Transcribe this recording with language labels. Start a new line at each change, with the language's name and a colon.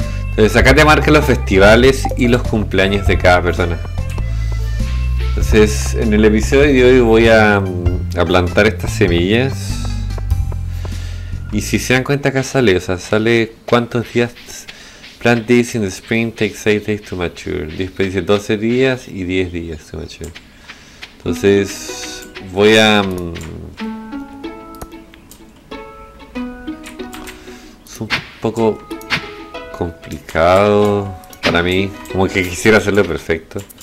Spanish: Entonces acá te marca los festivales y los cumpleaños de cada persona. Entonces en el episodio de hoy voy a plantar estas semillas. Y si se dan cuenta, acá sale, o sea, sale cuántos días.
English: Plant this in the spring takes 8 days to mature.
Spanish: Después dice 12 días y 10 días
English: to mature.
Spanish: Entonces voy a es un poco complicado para mí, como que quisiera hacerlo perfecto.